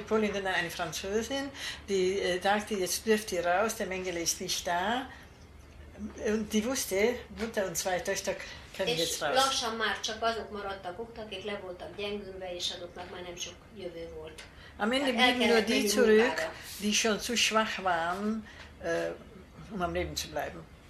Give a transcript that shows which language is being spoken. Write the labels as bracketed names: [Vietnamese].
[German] Polin, sondern eine Französin, die sagte, jetzt dürft ihr raus, der Mengele ist nicht da. Und die wusste, Mutter und zwei Töchter können [Hungarian] és [German] jetzt raus. [Hungarian] Lassan már csak azok maradtak ott, akik le voltak gyengülve, és azoknak már nem sok jövő volt. [German] Am Ende blieben nur die zurück, die schon zu schwach waren, um am Leben zu bleiben.